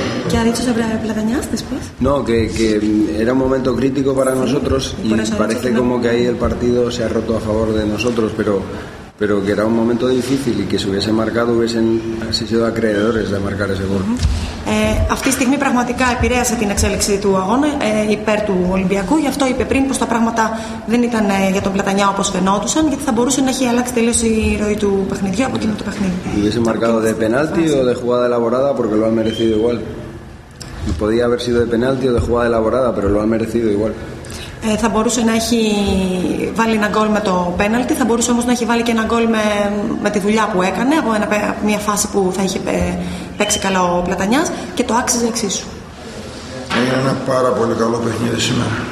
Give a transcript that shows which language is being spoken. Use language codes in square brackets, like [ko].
[es] ¿Qué ha dicho sobre Platanías después? No, que era un momento crítico para nosotros y parece como que ahí el partido se ha roto a favor de nosotros, pero que era un momento difícil y que si hubiese marcado hubiesen sido acreedores de marcar ese gol. [el] Αυτή τη στιγμή πραγματικά επηρέασε την εξέλιξη του αγώνα υπέρ του Ολυμπιακού. Γι' αυτό είπε πριν πως τα πράγματα δεν ήταν για τον Πλατανιά όπως φαινόντουσαν, γιατί θα μπορούσε να έχει αλλάξει τελείως η ροή του παιχνιδιού από εκείνο το παιχνίδι. [es] Hubiese marcado de penalti o de jugada elaborada porque lo han merecido igual. Podía haber sido de penalti o de jugada elaborada, pero lo han merecido igual. [el] Θα μπορούσε να έχει βάλει ένα γκολ με το πέναλτι, θα μπορούσε όμως να έχει βάλει και ένα γκολ με τη δουλειά που έκανε από μια φάση που θα είχε παίξει καλά ο Πλατανιάς και το άξιζε εξίσου. Είναι ένα πάρα πολύ καλό παιχνίδι σήμερα.